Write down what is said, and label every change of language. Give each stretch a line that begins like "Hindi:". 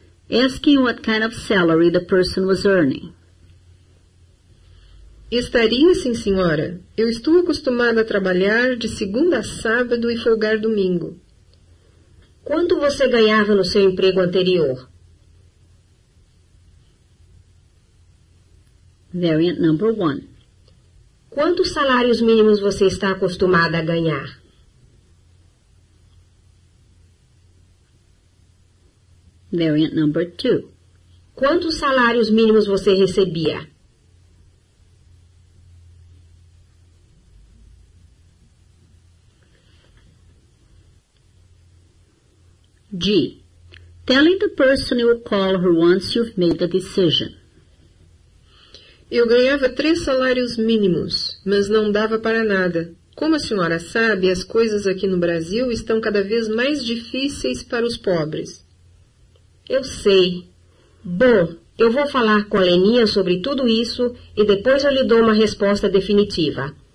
English: Asking what kind of salary the person was earning.
Portuguese: Estaria, sim, senhora. Eu estou acostumada a trabalhar de segunda a sábado e folgar domingo. Quanto você ganhava no seu emprego anterior?
English: Variant number one.
Portuguese: Quantos salários mínimos você está acostumada a ganhar?
English: Variant number two.
Portuguese: Quantos salários mínimos você recebia? G.
English: Telling the person you'll call her once you've made the decision.
Portuguese: Eu ganhava 3 salários mínimos, mas não dava para nada. Como a senhora sabe, as coisas aqui no Brasil estão cada vez mais difíceis para os pobres. Eu sei. Bom, eu vou falar com a Leninha sobre tudo isso e depois eu lhe dou uma resposta definitiva.